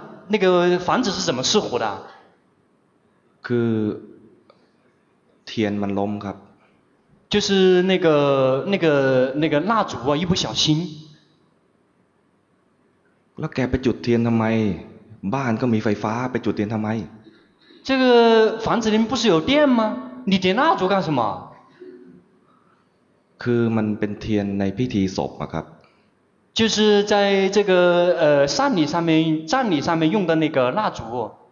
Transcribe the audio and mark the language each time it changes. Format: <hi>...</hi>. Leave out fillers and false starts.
<zh>那个房子是怎么失火的</zh> <th>คือเทียนมันล้มครับ</th> <zh>就是那个蜡烛啊，一不小心。</zh> <th>แล้วแกไปจุดเทียนทำไมบ้านก็มีไฟฟ้าไปจุดเทียนทำไม</th> <zh>这个房子里面不是有电吗？你点蜡烛干什么？</zh> <th>คือมันเป็นเทียนในพิธีศพครับ</th> <zh>就是在这个葬礼上面用的那个蜡烛。</zh>